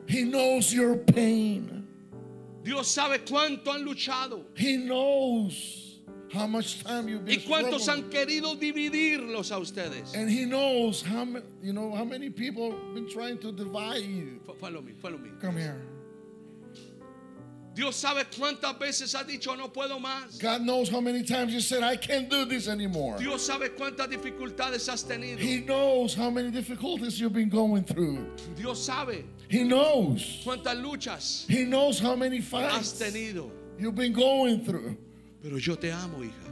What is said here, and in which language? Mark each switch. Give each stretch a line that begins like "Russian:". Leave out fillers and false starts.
English: He knows your pain.
Spanish: Dios sabe cuánto han luchado.
English: He knows how much time you've been.
Spanish: Y cuántos han querido dividirlos a ustedes.
English: And he knows how you know how many people have been trying to divide you. Follow me. Come here.
Spanish: Dios sabe cuántas veces has dicho no puedo más.
English: God knows how many times you said I can't do this anymore.
Spanish: Dios sabe cuántas dificultades has tenido.
English: He knows how many difficulties you've been going through.
Spanish: Dios sabe.
English: He knows.
Spanish: Cuántas luchas.
English: He knows how many fights
Spanish: has tenido.
English: You've been going through.
Spanish: Pero yo te amo, hija.